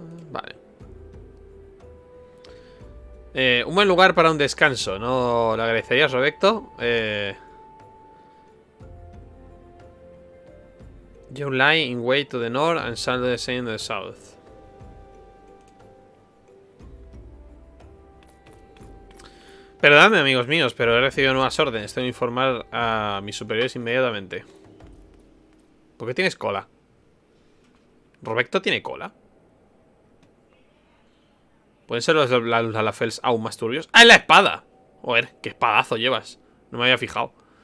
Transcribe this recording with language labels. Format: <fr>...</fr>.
<es>Vale. Un buen lugar para un descanso, ¿no lo agradecerías, Roberto?</es> <en>You lie in wait to the north and shall descend to the south.</en> <es>Perdóname, amigos míos, pero he recibido nuevas órdenes. Tengo que informar a mis superiores inmediatamente. ¿Por qué tienes cola? ¿Roberto tiene cola? ¿Pueden ser los Lalafels aún más turbios? ¡Ah, es la espada! Joder, qué espadazo llevas. No me había fijado.</es>